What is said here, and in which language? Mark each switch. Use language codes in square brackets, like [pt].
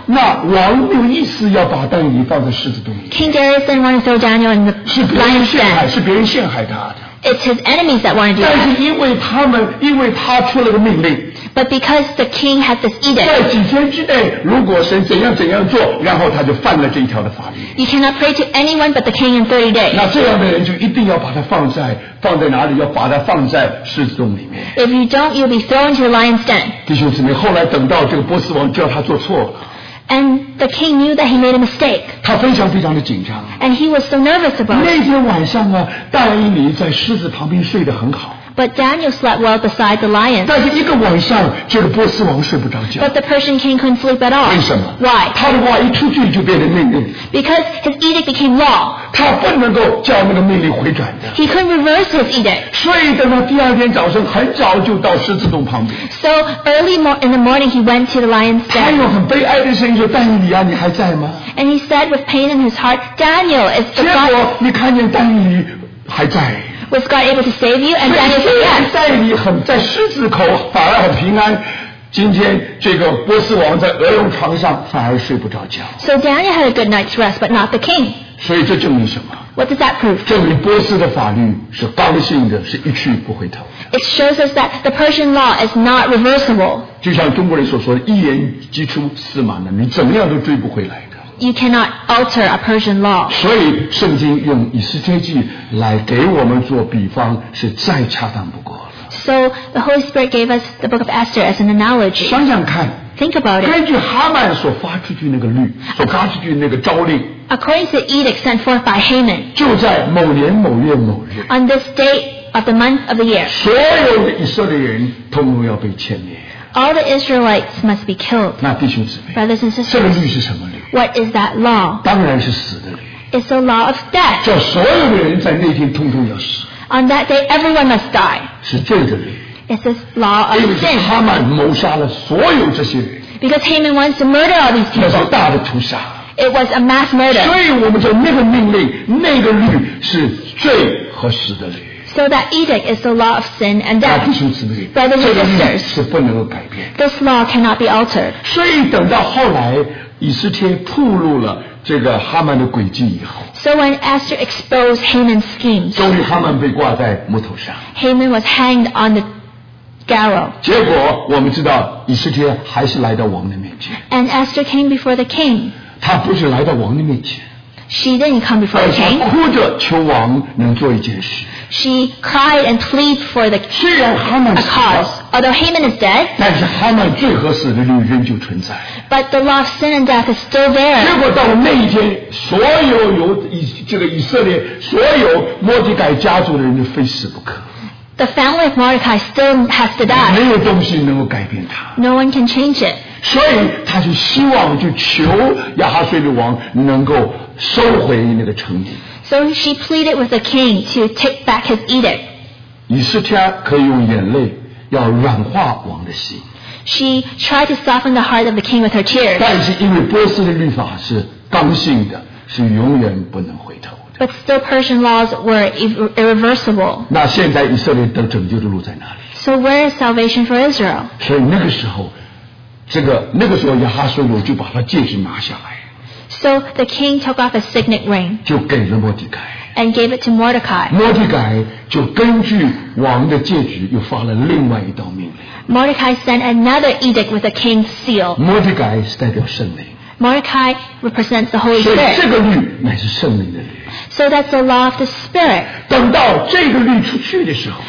[zh] 那王没有意思要把但以理放在狮子洞里。 [en] King Darius didn't want to throw Daniel in the lion's den. [zh] 是别人陷害，是别人陷害他的。 [en] It's his enemies that wanted to do [zh] that. 但是因为他们，因为他出了个命令。 [en] But because the king had this edict, [zh] 在几天之内，如果神怎样怎样做，然后他就犯了这一条的法律。 [en] You cannot pray to anyone but the king in 30 days. [zh] 那这样的人就一定要把他放在哪里？要把他放在狮子洞里面。 [en] If you don't, you'll be thrown to the lion's den. [zh] 弟兄姊妹，后来等到这个波斯王叫他做错了。 [en] And the king knew that he made a mistake. [zh] 他非常非常的紧张。 [en] And he was so nervous about it. [zh] 那天晚上啊，但以理在狮子旁边睡得很好。 [en] But Daniel slept well beside the lion. [zh] 但是一个晚上，这个波斯王睡不着觉。 [en] But the Persian king couldn't sleep at all. [zh] 为什么？ [en] Why? [zh] 他的话一出去就变成命令。 [en] Because his edict became law. [zh] 他不能够叫那个命令回转的。 [en] He couldn't reverse his edict. [zh] 所以等到第二天早上，很早就到狮子洞旁边。 [en] So early in the morning, he went to the lion's den. [zh] 他用很悲哀的声音说：“但以理啊，你还在吗？” [en] And he said with pain in his heart, "Daniel, is the God?" [zh] 结果你看见但以理还在。 [en] Was God able to save you? And Daniel said yes. So Daniel had a good night's rest, but not the king. [zh] 所以这证明什么? [en] What does that prove? [zh] 证明波斯的法律是刚性的，是一去不回头。 [en] It shows us that the Persian law is not reversible. [zh] 就像中国人所说的，一言既出，驷马难追，怎么样都追不回来。 [en] You cannot alter a Persian law. [zh] 所以圣经用以斯帖记来给我们做比方是再恰当不过了。 [en] So the Holy Spirit gave us the book of Esther as an analogy. [zh] 想想看。 [en] Think about it. [zh] 根据哈曼所发出去那个律，所发出去那个诏令。 [en] According to the edict sent forth by Haman. [zh] 就在某年某月某日。 [en] On this date of the month of the year. [zh] 所有的以色列人统统要被歼灭。 [en] All the Israelites must be killed. [zh] 那弟兄姊妹, [en] brothers and sisters, [zh] 这个律是什么律? [en] What is that law? [zh] 当然是死的律。 [en] It's the law of death. [zh] 叫所有的人在那天通通要死。 [en] On that day, everyone must die. [zh] 是罪的律。 [en] It's this law of sin. [zh] 因为哈曼谋杀了所有这些人。 [en] Because Haman wants to murder all these people. [zh] 那是大的屠杀。 [en] It was a mass murder. [zh] 所以我们说那个命令，那个律是罪和死的律。 [en] So that edict is the law of sin and death. [zh] 弟兄姊妹, [en] brothers and sisters, [zh] 是不能够改变。 [en] This law cannot be altered. [zh] 所以等到后来以斯帖暴露了这个哈曼的诡计以后。 [en] So when Esther exposed Haman's scheme, [zh] 终于哈曼被挂在木头上。 [en] Haman was hanged on the gallow. [zh] 结果我们知道以斯帖还是来到王的面前。 [en] And Esther came before the king. [zh] 他不是来到王的面前。 [en] She didn't come before the king. [zh] 而是哭着求王能做一件事。 [en] She cried and pleaded for the king a cause. Although Haman is dead, [zh] 但是哈曼最合适的律仍旧存在。 [en] But the law of sin and death is still there. [zh] 结果到那一天，所有由这个以色列所有摩迪改家族的人都非死不可。 [en] The family of Mordecai still has to die. [zh] 没有东西能够改变他。 [en] No one can change it. [zh] 所以他就希望就求亚哈水的王能够收回那个成语。 [en] So she pleaded with the king to take back his edict. [zh] 以斯帖可以用眼泪要软化王的心。 [en] She tried to soften the heart of the king with her tears. [zh] 但是因为波斯的律法是刚性的，是永远不能回头的。 [en] But still Persian laws were irreversible. [zh] 那现在以色列得拯救的路在哪里？ [en] So where is salvation for Israel? [zh] 所以那个时候，那个时候亚哈水我就把他戒指拿下来。 [en] So the king took off his signet ring. [zh] 就给了摩迪凯。 [en] And gave it to Mordecai. [zh] 摩迪凯就根据王的戒指又发了另外一道命令。 [en] Mordecai sent another edict with the king's seal. [zh] 摩迪凯是代表圣灵。 [en] Mordecai represents the Holy Spirit. [zh] 所以这个律乃是圣灵的律。 [en] So that's the law of the Spirit. [zh] 等到这个律出去的时候，